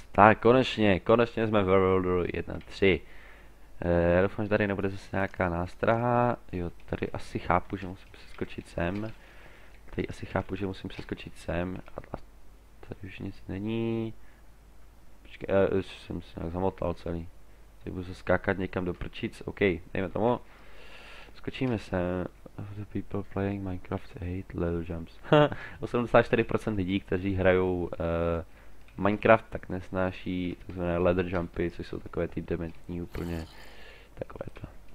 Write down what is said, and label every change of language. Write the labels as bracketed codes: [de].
[cs] Tak, konečně jsme ve Worldu 1.3. Já doufám, že tady nebude zase nějaká nástraha. Jo, tady asi chápu, že musím přeskočit sem. Tady asi chápu, že musím přeskočit sem. A tady už nic není. Počkej, už jsem se nějak zamotal celý. Teď budu skákat někam do prčic. OK, dejme tomu. Skočíme sem. [en] Of the people playing Minecraft hate little jumps. [cs] 84% lidí, kteří hrajou Minecraft, tak nesnáší takzvané ladder jumpy, což jsou takové ty dementní úplně takové to.